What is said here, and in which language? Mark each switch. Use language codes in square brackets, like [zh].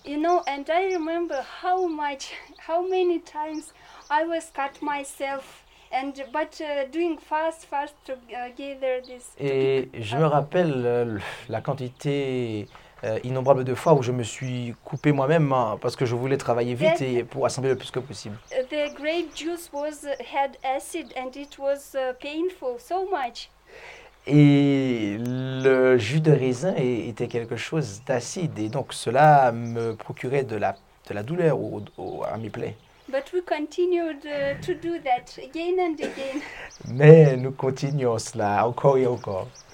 [en] You know, and I remember how many times I was cut myself but doing fast to gather this. [fr] Et je me rappelle la quantité innombrables de fois où je me suis coupé moi-même parce que je voulais travailler vite et pour assembler le plus que possible. [en] The grape juice had acid and it was painful so much. [fr] Et le jus de raisin était quelque chose d'acide et donc cela me procurait de la douleur à mes plaies. [en] But we continued to do that again and again. [fr] Mais nous continuons cela encore et encore.